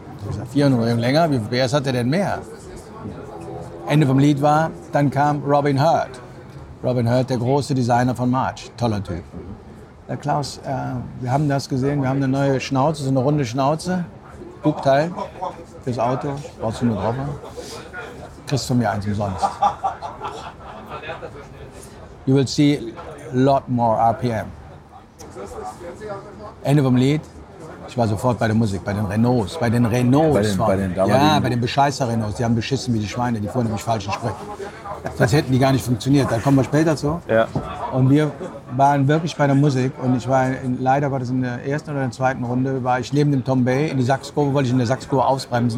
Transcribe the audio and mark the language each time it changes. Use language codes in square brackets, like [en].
[de] Ich sag, 400 Umdrehungen länger, wie viel PS hat er denn mehr? Ende vom Lied war, dann kam Robin Hurt. Robin Hurt, der große Designer von March, toller Typ. Der Klaus, wir haben das gesehen, wir haben eine neue Schnauze, so eine runde Schnauze, Bugteil fürs Auto, brauchst du nur drauf. Kriegst von mir eins umsonst. [en] You will see a lot more RPM. [de] Ende vom Lied. Ich war sofort bei der Musik, bei den Renaults. Bei den Renaults. Bei den Bescheißer Renaults. Die haben beschissen wie die Schweine, die vorhin nämlich falschen Sprit. Das hätten die gar nicht funktioniert. Da kommen wir später zu. Ja. Und wir waren wirklich bei der Musik. Und ich war leider war das in der ersten oder der zweiten Runde, war ich neben dem Tombay in die Sachskurve, wollte ich in der Sachskurve ausbremsen.